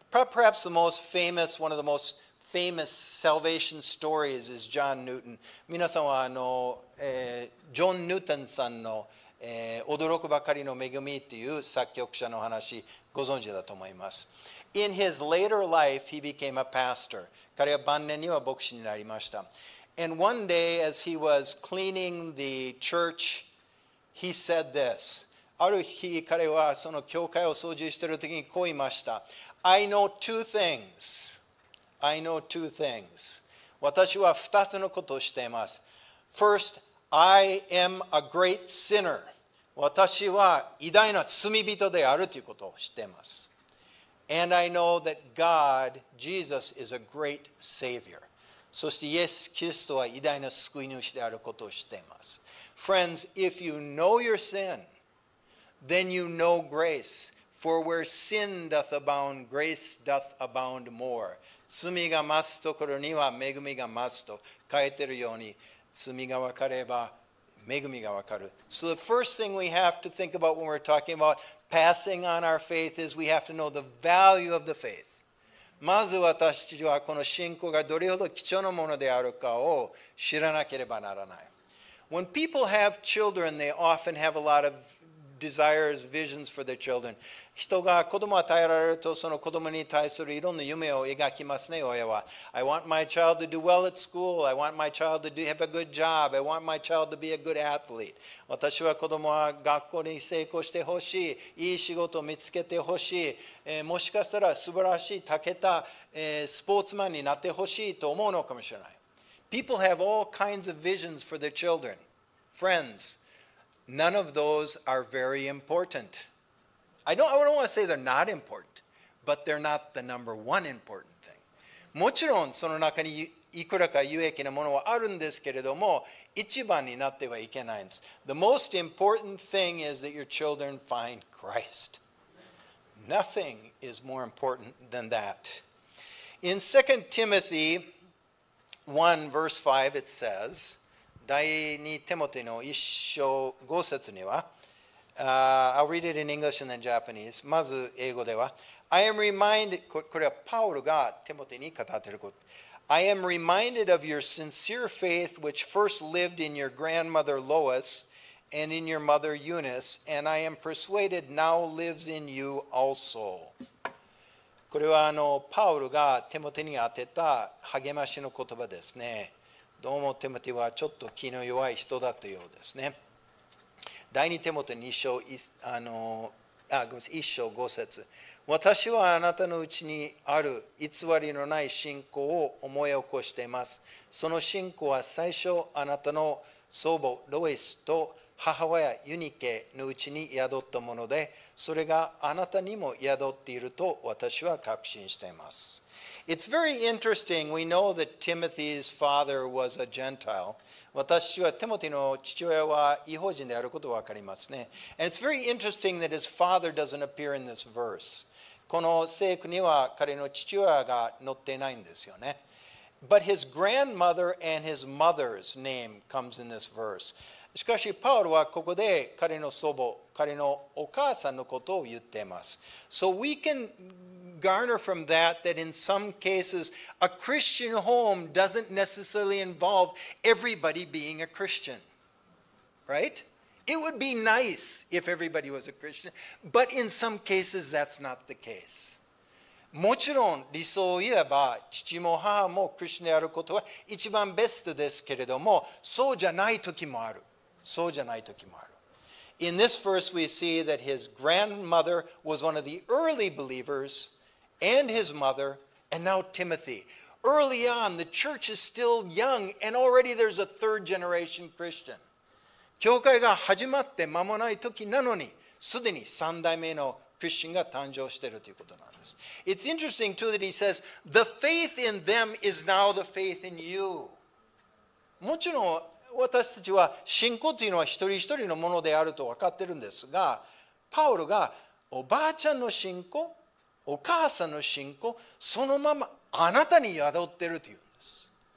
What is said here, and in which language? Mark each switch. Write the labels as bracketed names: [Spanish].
[English] Perhaps the most famous, one of the most famous salvation stories is John Newton. [Japanese] 皆さんはジョン・ニュートンさんの、驚くばかりの恵みという作曲者の話、ご存知だと思います。 [English] In his later life, he became a pastor. [Japanese] 彼は晩年には牧師になりました。 [English] And one day, as he was cleaning the church, he said this. [Japanese] ある日、彼はその教会を掃除している時にこう言いました。 [English] I know two things. I know two things. [Japanese] 私は二つのことをしています。 [English] First, I am a great sinner. [Japanese] 私は偉大な罪人であるということを知っています。 [English] And I know that God, Jesus, is a great savior. [Japanese] そしてイエス・キリストは偉大な救い主であることを知っています。 [English] Friends, if you know your sin, then you know grace. For where sin doth abound, grace doth abound more. [Japanese] 罪が増すところには恵みが増すと書いてるように、罪が分かれば恵みが分かる。 [English] So the first thing we have to think about when we're talking about passing on our faith is we have to know the value of the faith. [Japanese] まず私たちはこの信仰がどれほど貴重なものであるかを知らなければならない。 [English] When people have children, they often have a lot of desires, visions for their children. [Japanese] 人が子供を与えられると、その子供に対するいろんな夢を描きますね、親は。 [English] I want my child to do well at school. I want my child to have a good job. I want my child to be a good athlete. [Japanese] 私は子供は学校に成功してほしい。いい仕事を見つけてほしい。もしかしたら素晴らしい、長けた、スポーツマンになってほしいと思うのかもしれない。 [English] People have all kinds of visions for their children. Friends. None of those are very important. I don't want to say they're not important, but they're not the number one important thing. [Japanese] もちろんその中にいくらか有益なものはあるんですけれども、一番になってはいけないんです。 [English] The most important thing is that your children find Christ. Nothing is more important than that. In 2 Timothy 1, verse 5, it says, [Japanese] 第二テモテの一章五節には、 [English] I'll read it in English and then Japanese. [Japanese] まず英語では、 [English] I am reminded, [Japanese] これはパウロがテモテに語っていること。 [English] I am reminded of your sincere faith which first lived in your grandmother Lois and in your mother Eunice, and I am persuaded now lives in you also. [Japanese] これはパウロがテモテに当てた励ましの言葉ですね。どうもテモテはちょっと気の弱い人だったようですね。第二テモテ1章5節、私はあなたのうちにある偽りのない信仰を思い起こしています。その信仰は最初あなたの祖母ロイスと母親ユニケのうちに宿ったもので、それがあなたにも宿っていると私は確信しています。 [English] It's very interesting. We know that Timothy's father was a Gentile. [Japanese] 私はテモテの父親は異邦人であることわかりますね。 [English] And it's very interesting that his father doesn't appear in this verse. [Japanese] この聖句には彼の父親が載ってないんですよね。 [English] But his grandmother and his mother's name comes in this verse. [Japanese] しかしパウロはここで彼の祖母、彼のお母さんのことを言っています。 [English] So we can... garner from that that in some cases a Christian home doesn't necessarily involve everybody being a Christian. Right? It would be nice if everybody was a Christian, but in some cases that's not the case. [Japanese] もちろん理想を言えば父も母もクリスチャンであることは一番ベストですけれども、そうじゃない時もある。そうじゃない時もある。 [English] In this verse we see that his grandmother was one of the early believers. And his mother, and now Timothy. Early on, the church is still young, and already there's a third generation Christian. [Japanese] 教会が始まって間もない時なのに、すでに三代目のクリスチャンが誕生しているということなんです。 [English] It's interesting too that he says, the faith in them is now the faith in you. [Japanese] もちろん私たちは信仰というのは一人一人のものであると分かっているんですが、パウロがおばあちゃんの信仰、お母さんの信仰、そのままあなたに宿ってるというんです。